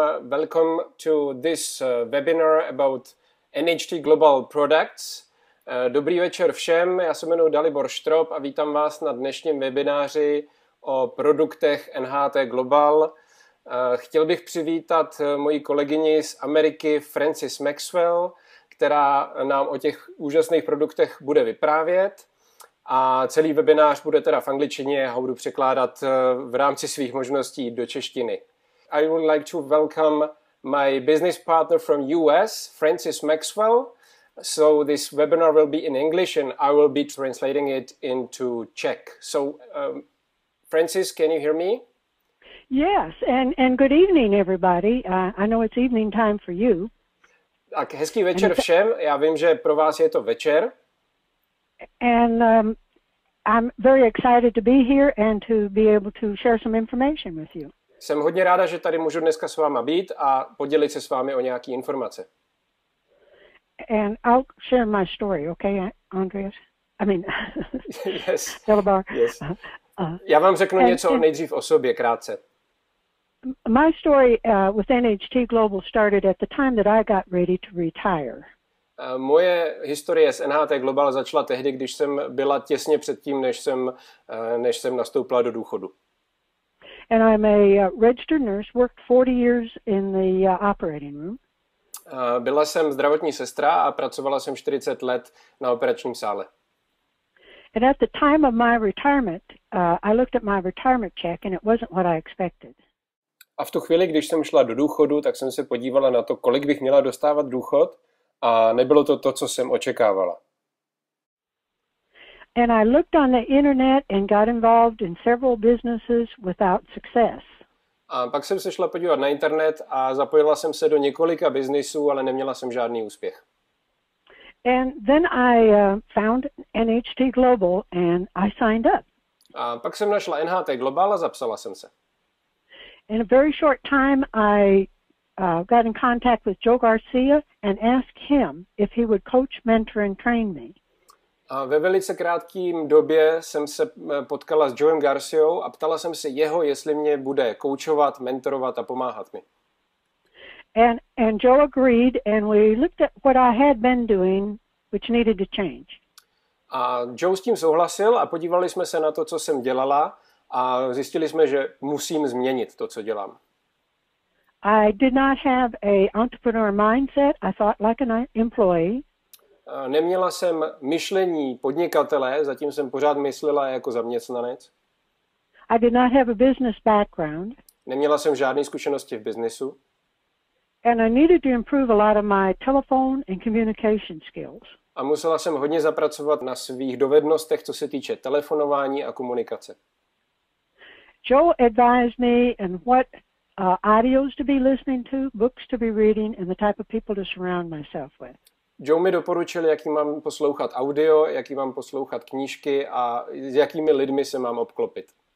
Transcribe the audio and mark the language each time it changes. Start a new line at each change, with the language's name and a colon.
English: Welcome to this webinar about NHT Global products.
Czech: Dobrý večer všem. Já se jmenuji Dalibor Štrop a vítám vás na dnešním webináři o produktech NHT Global. Chtěl bych přivítat moji kolegyni z Ameriky, Frances Maxwell, která nám o těch úžasných produktech bude vyprávět. A celý webinář bude teda v angličtině, já ho budu překládat v rámci svých možností do češtiny.
English: I would like to welcome my business partner from US, Frances Maxwell. So this webinar will be in English and I will be translating it into Czech. So, Frances, can you hear me? Yes, and good evening, everybody. I know it's evening time for you.
Czech: Tak, hezký večer všem. Já vím, že pro vás je to večer.
English: And I'm very excited to be here and to be able to share some information with you.
Czech: Jsem hodně ráda, že tady můžu dneska s váma být a podělit se s vámi o nějaký informace.
English: And I'll share my story, okay, Andreas? I mean, yes. Dalibor. Yes.
Czech: Já vám řeknu něco nejdřív o sobě, krátce.
English: My story with NHT Global started at the time that I got ready to retire.
Czech: Moje historie s NHT Global začala tehdy, když jsem byla těsně před tím, než jsem nastoupila do důchodu.
English: And I'm a registered nurse, worked 40 years in the operating room.
Czech: Byla jsem zdravotní sestra a pracovala jsem 40 let na operačním sále.
English: And at the time of my retirement, I looked at my retirement check and it wasn't what I expected.
Czech: A v tu chvíli, když jsem šla do důchodu, tak jsem se podívala na to, kolik bych měla dostávat důchod. A nebylo to to, co jsem očekávala.
English: And I looked on the internet and got involved in several businesses without success.
Czech: A pak jsem se šla podívat na internet a zapojila jsem se do několika biznisů, ale neměla jsem žádný úspěch.
English: And then I found NHT Global and I signed up.
Czech: A pak jsem našla NHT Global a zapsala jsem se.
English: In a very short time I got in contact with Joe Garcia and asked him if he would coach, mentor and train me.
Czech: A ve velice krátkým době jsem se potkala s Joem Garciou a ptala jsem se jeho, jestli mě bude koučovat, mentorovat a pomáhat mi.
English: And Joe agreed and we looked at what I had been doing, which needed to change.
Czech: A Joe s tím souhlasil a podívali jsme se na to, co jsem dělala a zjistili jsme, že musím změnit to, co dělám.
English: I did not have a entrepreneur mindset. I thought like an employee.
Czech: Neměla jsem myšlení podnikatele, zatím jsem pořád myslela jako zaměstnanec.
English: I did not have a business background.
Czech: Neměla jsem žádné zkušenosti v biznesu.
English: And I needed to improve a lot of my telephone and communication skills.
Czech: A musela jsem hodně zapracovat na svých dovednostech, co se týče telefonování a komunikace.
English: Joe advised me and what audios to be listening to, books to be reading, and the type of people to surround myself with.
Czech: Joe mi doporučil, jaký mám poslouchat audio, jaký mám poslouchat knížky a s jakými lidmi se mám obklopit.